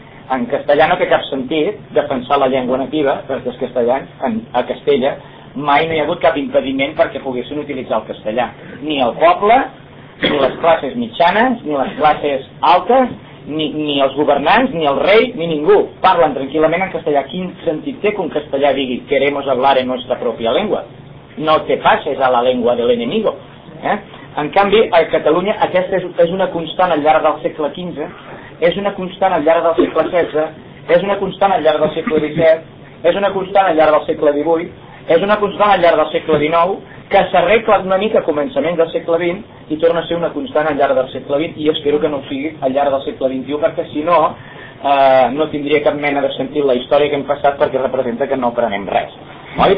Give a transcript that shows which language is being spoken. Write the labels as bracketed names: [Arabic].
[Catalan] En castellà no té cap sentit defensar la llengua nativa, perquè els castellans, a Castella, mai no hi ha hagut cap impediment perquè poguessin utilitzar el castellà. Ni el poble, ni les classes mitjanes, ni les classes altes, ni els governants, ni el rei, ni ningú. Parlen tranquil·lament en castellà. Quin sentit té que un castellà digui [Spanish] queremos hablar en nuestra propia lengua? No te pases a la lengua del enemigo. [Catalan] En canvi, a Catalunya aquesta és una constant al llarg del segle XV, és una constant al llarg del segle XVI, és una constant al llarg del segle XVII, és una constant al llarg del segle XVIII, és una constant al llarg del segle XIX que s'arregla una mica a començament del segle XX i torna a ser una constant al llarg del segle XX, i espero que no ho sigui al llarg del segle XXI, perquè si no, no tindria cap mena de sentit la història que hem passat, perquè representa que no aprenem res. Oi?